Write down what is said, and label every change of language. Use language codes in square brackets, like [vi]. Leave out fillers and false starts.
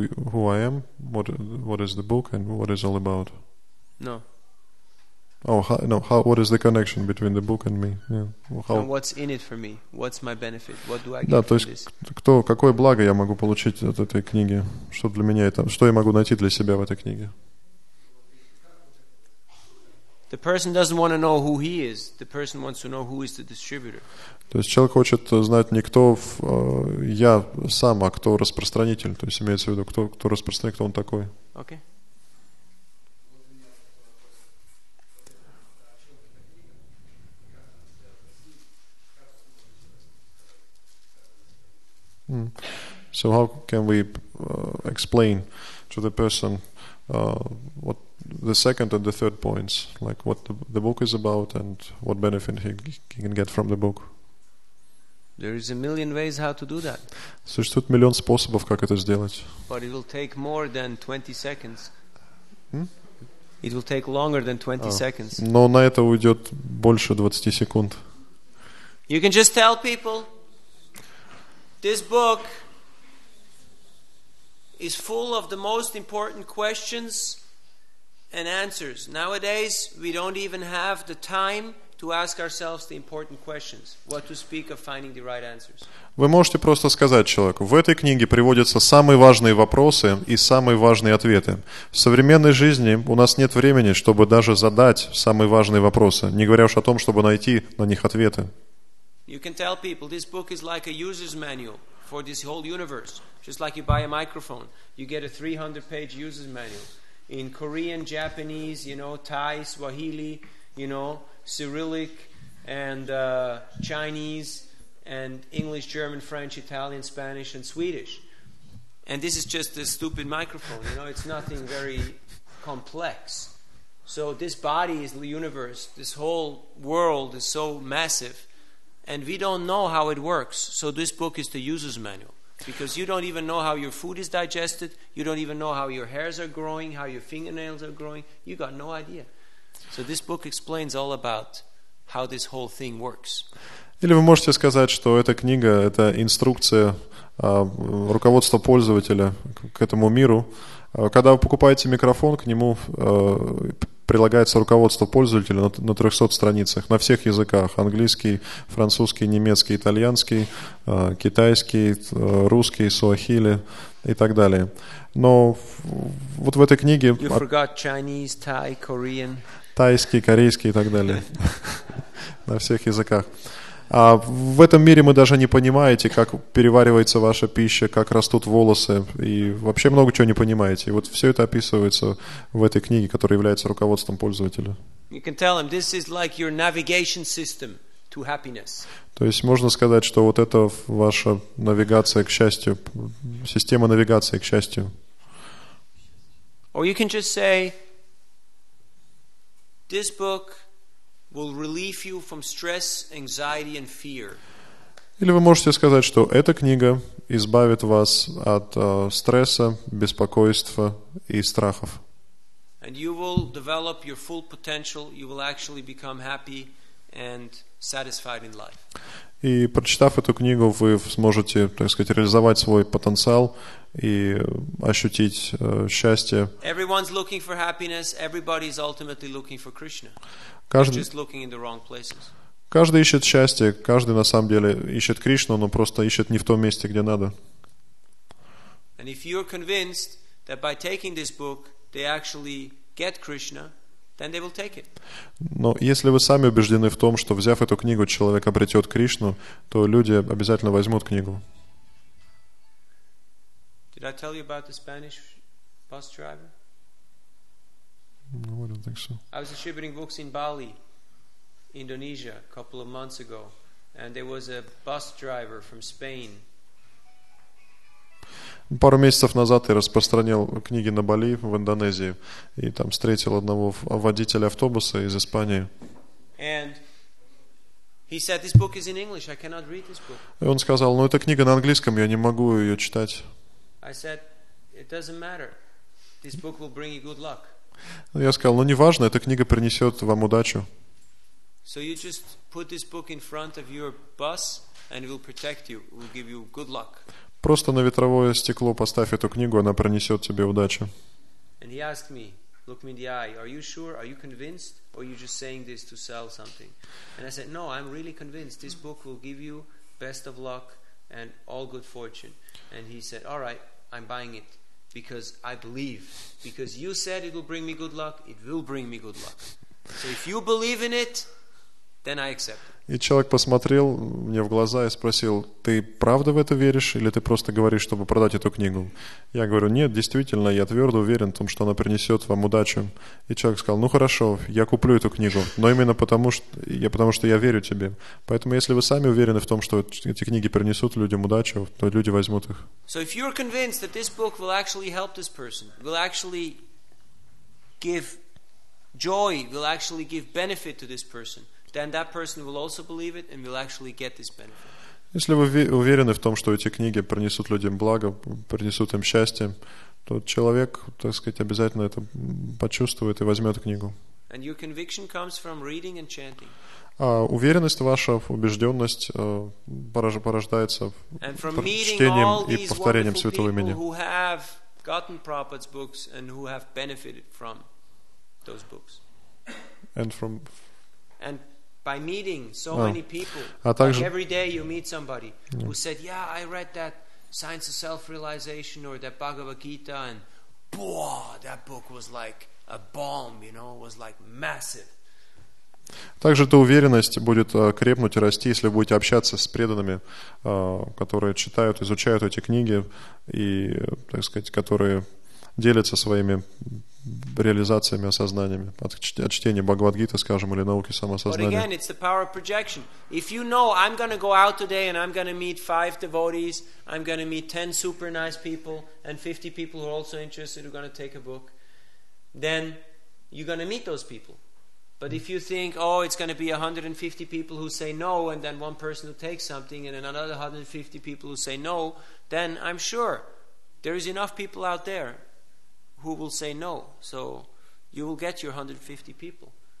[en] Who I am, what is the book, and what is all about? No. How what is the connection between the book and me? Yeah. And what's in it for me? What's my benefit? What do I get [ru] да, [en] from this? [ru] Кто, какое благо я могу получить от этой книги? Что для меня это? Что я могу найти для себя в этой книге? [en] The person doesn't want to know who he is. The person wants to know who is the distributor. [ru] То есть человек хочет знать не кто я сам, а кто распространитель. То есть имеется в виду, кто распространитель, кто он такой. [en] Okay. So how can we explain to the person what the second and the third points, like what the book is about and what benefit he can get from the book? There is a million ways how to do that. [ru] Существует миллион способов, как это сделать. [en] But it will take more than 20 seconds. It will take longer than 20 seconds. [ru] Но на это уйдет больше 20 секунд. [en] You can just tell people this book is full of the most important questions and answers. Nowadays, we don't even have the time to ask ourselves the important questions. What to speak of finding the right answers. [ru] Вы можете просто сказать человеку: в этой книге приводятся самые важные вопросы и самые важные ответы. В современной жизни у нас нет времени, чтобы даже задать самые важные вопросы, не говоря уж о том, чтобы найти на них ответы. [en] You can tell people this book is like a user's manual for this whole universe. Just like you buy a microphone, you get a 300-page user's manual. In Korean, Japanese, you know, Thai, Swahili, you know, Cyrillic, and Chinese, and English, German, French, Italian, Spanish, and Swedish. And this is just a stupid microphone, you know, it's nothing very complex. So this body is the universe, this whole world is so massive, and we don't know how it works, so this book is the user's manual. Because you don't even know how your food is digested, you don't even know how your hairs are growing, how your fingernails are growing, you got no idea. So this book explains all about how this whole thing works. [ru] Или вы можете сказать, что эта книга – это инструкция, руководство пользователя к этому миру. Когда вы покупаете микрофон, к нему прилагается руководство пользователя на 300 страницах, на всех языках – английский, французский, немецкий, итальянский, китайский, русский, суахили и так далее. Но вот в этой книге… [en] You forgot Chinese, Thai, Korean. [ru] Тайский, корейский и так далее. На всех языках. А в этом мире мы даже не понимаете, как переваривается ваша пища, как растут волосы, и вообще много чего не понимаете. И вот все это описывается в этой книге, которая является руководством пользователя. [en] You can tell him, this is like your navigation system to happiness. [ru] То есть можно сказать, что вот это ваша навигация к счастью, система навигации к счастью. [en] Or you can just say, this book will relieve you from stress, anxiety, and fear. [ru] Или вы можете сказать, что эта книга избавит вас от стресса, беспокойства и страхов. [en] And you will develop your full potential. You will actually become happy and satisfied in life. [ru] И прочитав эту книгу, вы сможете, так сказать, реализовать свой потенциал и ощутить счастье. [en] Everyone's looking for happiness. Everybody is ultimately looking for Krishna. [ru] Каждый [en] just looking in the wrong places. [ru] Каждый ищет счастье, каждый на самом деле ищет Кришну, но просто ищет не в том месте, где надо. [en] And if you're convinced that by taking this book they actually get Krishna, then they will take it. [ru] Но если вы сами убеждены в том, что взяв эту книгу, человек обретет Кришну, то люди обязательно возьмут книгу. [en] Did I tell you about the Spanish bus driver? No, I don't think so. I was distributing books in Bali, Indonesia, a couple of months ago, and there was a bus driver from Spain. [ru] Пару месяцев назад я распространял книги на Бали, в Индонезии, и там встретил одного водителя автобуса из Испании. [en] And he said, this book is in English. I cannot read this book. [ru] И он сказал, ну, эта книга на английском, я не могу ее читать. [en] I said, it doesn't matter. This book will bring you good luck. [ru] Я сказал, ну, неважно, эта книга принесет вам удачу. [en] So you just put this book in front of your bus and it will protect you. It will give you good luck. [ru] Просто на ветровое стекло поставь эту книгу, она принесет тебе удачу. [en] And he asked me, look me in the eye, are you sure, are you convinced, or are you just saying this to sell something? And I said, no, I'm really convinced. This book will give you best of luck and all good fortune. And he said, all right, I'm buying it because I believe. Because you said it will bring me good luck, it will bring me good luck. So if you believe in it, then I accept it. [ru] И человек посмотрел мне в глаза и спросил, ты правда в это веришь или ты просто говоришь, чтобы продать эту книгу? Я говорю, нет, действительно, я твердо уверен в том, что она принесет вам удачу. И человек сказал, ну хорошо, я куплю эту книгу, но именно потому что я верю тебе. Поэтому если вы сами уверены в том, что эти книги принесут людям удачу, то люди возьмут их. [en] So if you're convinced that this book will actually help this person, will actually give joy, will actually give benefit to this person, then that person will also believe it and will actually get this benefit. [ru] Если вы уверены в том, что эти книги принесут людям благо, принесут им счастье, то человек, так сказать, обязательно это почувствует и возьмет книгу. [en] And your conviction comes from reading and chanting. [ru] А уверенность ваша, убежденность порождается чтением и повторением святого имени. [en] Who have gotten Prabhupada's books and who have benefited from those books. And by meeting so many people, like every day you meet somebody who said, yeah, I read that Science of Self-Realization or that Bhagavad Gita, and boah, that book was like a bomb, you know, it was like massive. [ru] Также эта уверенность будет крепнуть и расти, если вы будете общаться с преданными, которые читают, изучают эти книги и, так сказать, которые делятся своими реализациями, осознаниями от чтения Бхагавад-гиты, скажем, или науки самосознания. [en] But again, it's the power of projection. If you know, I'm going to go out today and I'm going to meet 5 devotees, I'm going to meet 10 super nice people and 50 people who are also interested who are going to take a book, then you're going to meet those people. But if you think, oh, it's going to be 150 people who say no and then one person who takes something and then another 150 people who say no, then I'm sure there is enough people out there who will say no, so you will get your 150 people.